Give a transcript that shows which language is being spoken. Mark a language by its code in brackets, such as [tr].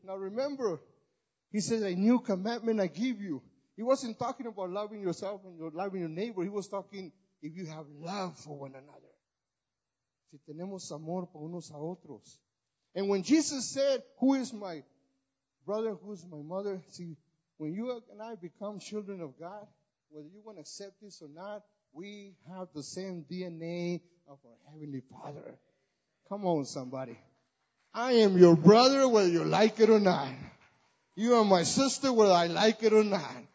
[en] Now, remember, he says a new commandment I give you. He wasn't talking about loving yourself and loving your neighbor. He was talking if you have love for one another. [es] Si tenemos amor para unos a otros. [en] And when Jesus said, who is my brother, who is my mother? See, when you and I become children of God, whether you want to accept this or not, we have the same DNA of our Heavenly Father. Come on, somebody. I am your brother, whether you like it or not. You are my sister, whether I like it or not.